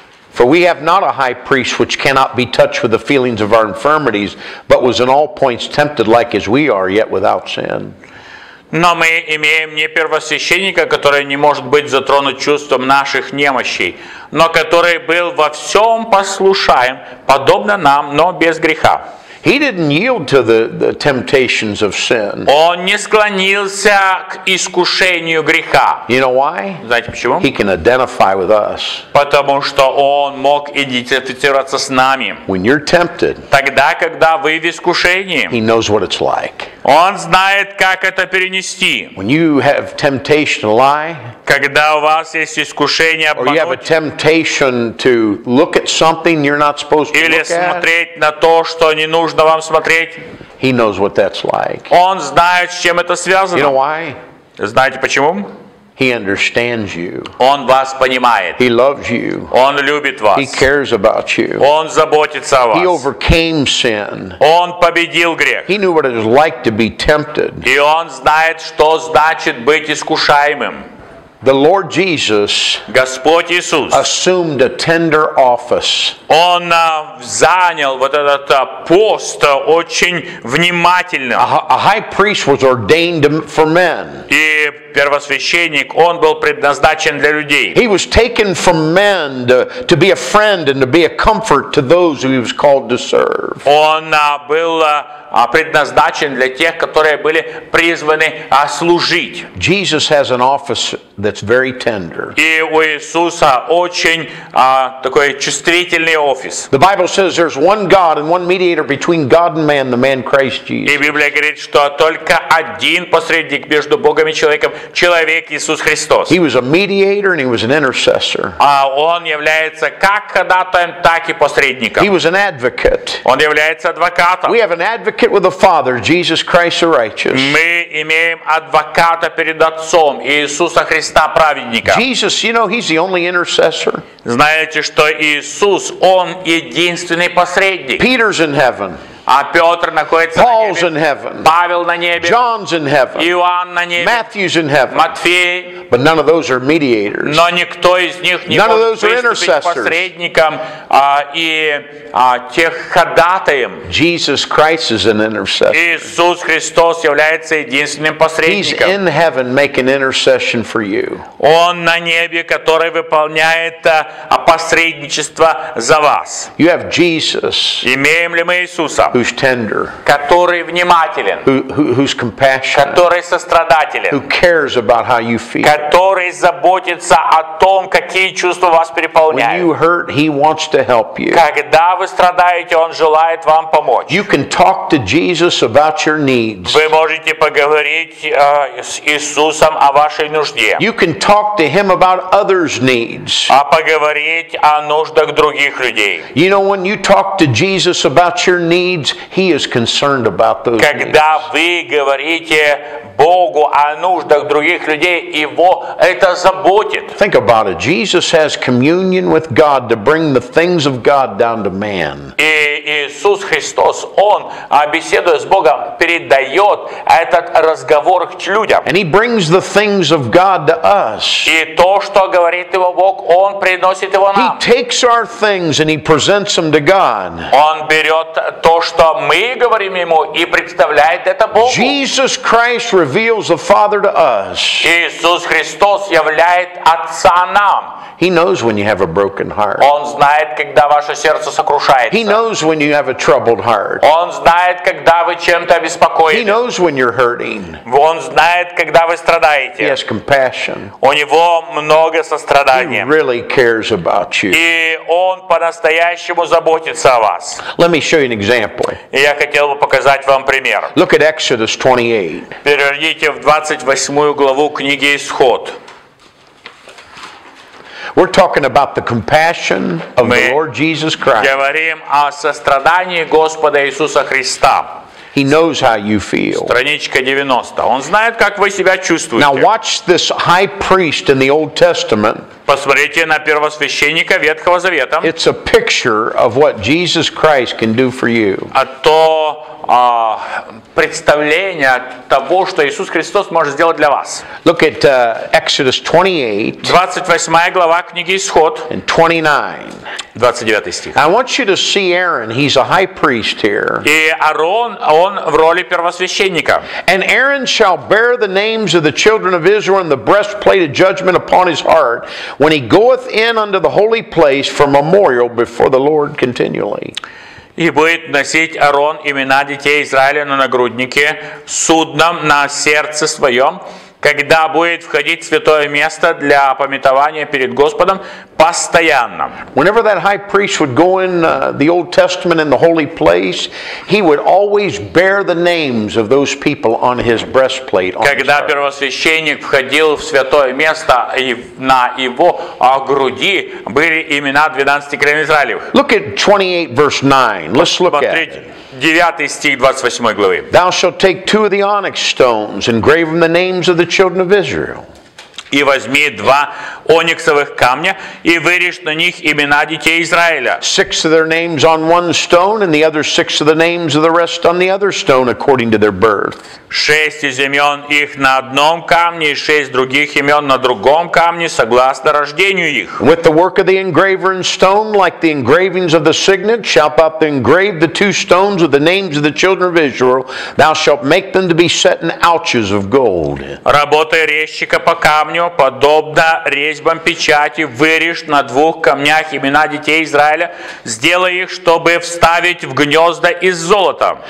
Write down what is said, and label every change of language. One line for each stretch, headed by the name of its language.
English: For we have not a high priest which cannot be touched with the feelings of our infirmities, but was in all points tempted like as we are, yet without sin.
Russian: Но мы имеем не первосвященника, который не может быть затронут чувством наших немощей, но который был во всем послушаем, подобно нам, но без греха.
English: He didn't yield to the temptations of sin.
Russian: Он не склонился к искушению греха.
English: You know why?
Russian: Знаете почему?
English: He can identify with us.
Russian: Потому что он мог идентифицироваться с нами.
English: When you're tempted,
Russian: тогда, когда вы в искушении,
English: he knows what it's like.
Russian: Он знает, как это перенести.
English: When you have temptation to lie,
Russian: когда у вас есть искушение обмануть,
English: or you have a temptation to look at something you're not supposed to look at,
Russian: или смотреть на то, что не нужно вам смотреть,
English: he knows what that's like.
Russian: Он знает, с чем это связано.
English: You know why?
Russian: Знаете почему?
English: He understands you.
Russian: Он вас понимает.
English: He loves you.
Russian: Он любит вас.
English: He cares about you.
Russian: Он заботится о вас.
English: He overcame sin.
Russian: Он победил грех.
English: He knew what it was like to be tempted.
Russian: И он знает, что значит быть искушаемым.
English: The Lord Jesus,
Russian: Господь Иисус,
English: assumed a tender office.
Russian: Он занял вот этот пост очень внимательно.
English: A high priest was ordained for men.
Russian: И первосвященник, он был предназначен для людей.
English: He was taken from men to be a friend and to be a comfort to those who he was called to serve.
Russian: Он был предназначен для тех, которые были призваны служить.
English: Jesus has an office that's very tender.
Russian: И у Иисуса очень такой чувствительный офис.
English: The Bible says there's one God and one mediator between God and man, the man Christ Jesus.
Russian: И Библия говорит, что только один посредник между Богом и человеком, человек Иисус Христос.
English: He was a mediator and he was an intercessor.
Russian: А он является как ходатаем, так и посредником.
English: He was an advocate.
Russian: Он является адвокатом.
English: We have an advocate with the Father, Jesus Christ the righteous.
Russian: Мы имеем адвоката перед Отцом, Иисуса Христа праведника.
English: Jesus, you know, he's the only intercessor.
Russian: Знаете, что Иисус, он единственный посредник.
English: Peter's in heaven.
Russian: А Петр находится
English: Paul's
Russian: на небе. Павел на небе.
English: John's in heaven.
Russian: Иоанн на небе.
English: Matthew's in heaven.
Russian: Матфей.
English: But none of those are mediators.
Russian: Но никто из них не
English: none of those are intercessors.
Russian: Посредником и тех ходатаем.
English: Jesus Christ is an intercessor.
Russian: Иисус Христос является единственным посредником.
English: He's in heaven making intercession for you.
Russian: Он на небе, который выполняет посредничество за вас.
English: You have Jesus.
Russian: Имеем ли мы Иисуса?
English: Who's tender?
Russian: Который внимателен.
English: Who's compassionate?
Russian: Который сострадателен.
English: Who cares about how you feel?
Russian: Который заботится о том, какие чувства вас переполняют.
English: When you hurt, he wants to help you.
Russian: Когда вы страдаете, он желает вам помочь.
English: You can talk to Jesus about your needs.
Russian: Вы можете поговорить с Иисусом о вашей нужде.
English: You can talk to him about others' needs.
Russian: А поговорить о нуждах других людей.
English: You know when you talk to Jesus about your needs, needs, he is concerned about those needs.
Russian: Когда вы говорите Богу о нуждах других людей, его это заботит.
English: Think about it. Jesus has communion with God to bring the things of God down to man.
Russian: И Иисус Христос, он беседуя с Богом, передает этот разговор к людям.
English: And he brings the things of God to us.
Russian: И то, что говорит его Бог, он приносит его нам.
English: He takes our things and he presents them to God.
Russian: Он берет то, что мы говорим ему, и представляет это Богу.
English: Jesus Christ reveals the Father to us.
Russian: Иисус Христос являет Отца нам.
English: He knows when you have a broken heart.
Russian: Он знает, когда ваше сердце сокрушается.
English: He knows when you have a troubled heart.
Russian: Он знает, когда вы чем-то обеспокоены.
English: He knows when you're hurting.
Russian: Он знает, когда вы страдаете.
English: He has compassion.
Russian: У него много сострадания.
English: He really cares about you.
Russian: И он по-настоящему заботится о вас.
English: Let me show you an example.
Russian: Я хотел бы показать вам пример.
English: Look at Exodus 28.
Russian: Переверните в 28 главу книги Исход.
English: We're talking about the compassion of the Lord Jesus Christ.
Russian: Мы говорим о сострадании Господа Иисуса Христа.
English: He knows how you feel.
Russian: Страничка 90. Он знает, как вы себя чувствуете.
English: Now watch this high priest in the Old Testament.
Russian: Посмотрите на первосвященника Ветхого Завета.
English: It's a picture of what Jesus Christ can do for you.
Russian: А то представление того, что Иисус Христос может сделать для вас.
English: Look at Exodus 28
Russian: глава книги Исход.
English: And 29. I want you to see Aaron. He's a high priest here.
Russian: И Аарон, он в роли первосвященника.
English: And Aaron shall bear the names of the children of Israel in the breastplate of judgment upon his heart when he goeth in unto the holy place for memorial before the Lord continually.
Russian: И будет носить Аарон имена детей Израиля на нагруднике, судном на сердце своем, когда будет входить в святое место для памятования перед Господом постоянно.
English: Whenever that high priest would go in the Old Testament in the holy place, he would always bear the names of those people on his breastplate.
Russian: Когда первосвященник входил в святое место, и на его груди были имена 12 колен Израилевых.
English: Look at 28 verse 9. Let's look at it.
Russian: 9 стих 28 главы.
English: Thou shalt take two of the onyx stones and engrave them the names of the children of Israel.
Russian: И возьми два ониксовых камня и вырежь на них имена детей Израиля.
English: Six of their names on one stone and the other six of the names of the rest on the other stone according to their birth.
Russian: Шесть из имен их на одном камне и шесть других имен на другом камне согласно рождению их.
English: With the work of the engraver in stone, like the engravings of the signet, shalt thou engrave the two stones with the names of the children of Israel. Thou shalt make them to be set in ouches of gold.
Russian: Работая резчика по камню, подобно резьбам печати, вырежь на двух камнях имена детей Израиля, сделай их, чтобы вставить в гнезда из золота.